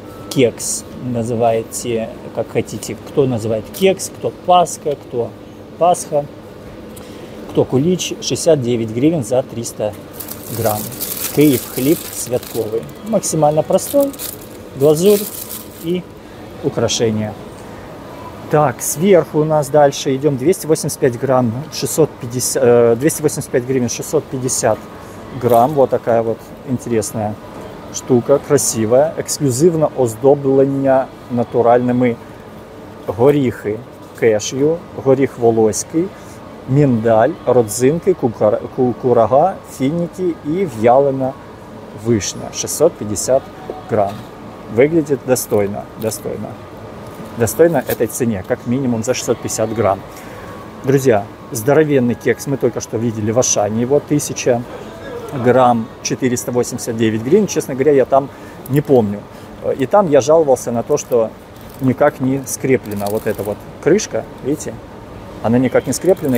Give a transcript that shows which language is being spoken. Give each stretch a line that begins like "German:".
Russian: Кекс называете, как хотите, кто называет кекс, кто пасха, кто пасха, кто кулич, 69 гривен за 300 грамм. Киев хлеб святковый. Максимально простой, глазурь и украшения. Так, сверху у нас дальше идем 285 грамм, 285 гривен, 650 грамм. Вот такая вот интересная штука, красивая,
Ukrainian: эксклюзивно оздоблення натуральними горіхи кешью, горіх волоський, міндаль, родзинки, кукурага, фініки і в'ялена вишня.
Russian: 650 грамм.
Ukrainian: Виглядить
Russian: достойно, достойно. Достойно этой цене, как минимум за 650 грамм. Друзья, здоровенный кекс, мы только что видели в Ашане, его 1000 грамм, 489 гривен. Честно говоря, я там не помню. И там я жаловался на то, что никак не скреплена вот эта вот крышка, видите? Она никак не скреплена.